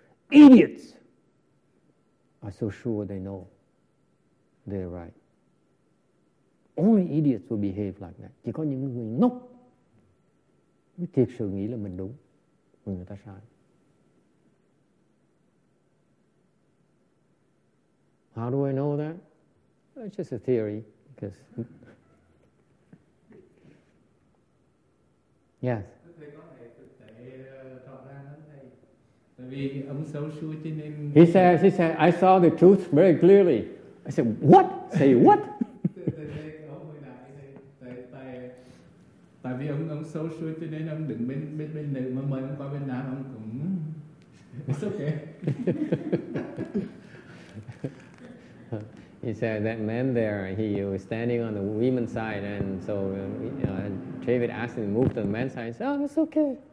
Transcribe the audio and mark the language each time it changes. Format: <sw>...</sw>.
<en>Idiots are so sure they know they're right. Only idiots will behave like that.</en> <vi>Chỉ có những người ngốc mới thiệt sự nghĩ là mình đúng, còn người ta sai.</vi> <en>How do I know that? It's just a theory. Because yes. He says, I saw the truth very clearly. I said, what? Say what?</en> <vi>Tại vì ông</vi> <en>so sure</en> <vi>cho nên ông đứng bên nữ mà mời ông qua bên nam ông cũng</vi> <en>it's okay. He said that man there, he was standing on the women's side, and so David asked him to move to the man's side. He said, oh, it's okay.</en>